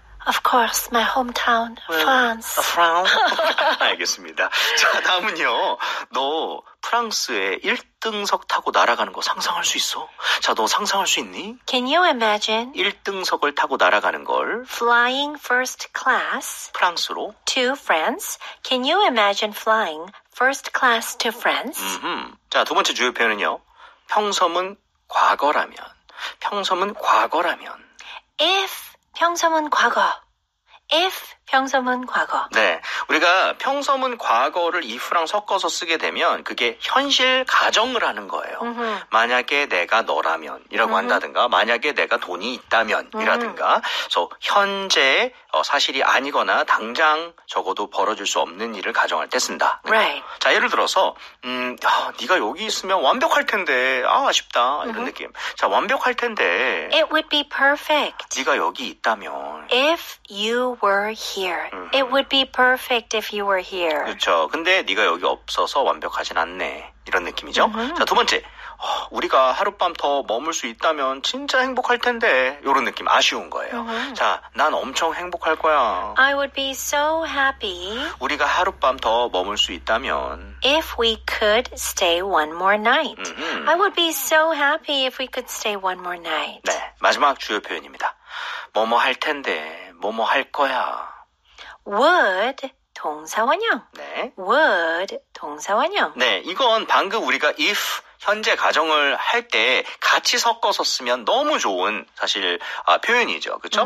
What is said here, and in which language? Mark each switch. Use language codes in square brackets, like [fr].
[en] Of course, my hometown, France. [ko] France? 알겠습니다. 자, 다음은요. 너 프랑스에 1등석 타고 날아가는 거 상상할 수 있어? 자, 너 상상할 수 있니? [en] Can you imagine? [ko] 1등석을 타고 날아가는 걸. [en] Flying first class. [ko] 프랑스로. [en] To France. Can you imagine flying first class to France? [ko] 자, 두 번째 주요 표현은요. 평소문 과거라면. 평소문 과거라면. If 평소문 과거. If 평소문 과거. 네. 우리가 평소문 과거를 if랑 섞어서 쓰게 되면 그게 현실 가정을 하는 거예요. 만약에 내가 너라면 이라고 한다든가 만약에 내가 돈이 있다면 이라든가 그래서 현재 사실이 아니거나 당장 적어도 벌어질 수 없는 일을 가정할 때 쓴다. [en] Right. [ko] 자, 예를 들어서 네가 여기 있으면 완벽할 텐데 아쉽다 이런 느낌. 자, 완벽할 텐데 [en] It would be perfect. [ko] 네가 여기 있다면 [en] If you were here. It would be perfect if you were here. [ko] 그렇죠. 근데 네가 여기 없어서 완벽하진 않네. 이런 느낌이죠. 자, 두 번째. 우리가 하룻밤 더 머물 수 있다면 진짜 행복할 텐데. 이런 느낌. 아쉬운 거예요. 자, 난 엄청 행복할 거야. [en] I would be so happy. [ko] 우리가 하룻밤 더 머물 수 있다면 [en] If we could stay one more night. I would be so happy if we could stay one more night. [ko] 네, 마지막 주요 표현입니다. 뭐뭐 할 텐데. 뭐뭐 할 거야. Would 동사원형. 네. Would 동사원형. 네. 이건 방금 우리가 if 현재 가정을 할 때 같이 섞어서 쓰면 너무 좋은 사실 표현이죠. 그렇죠?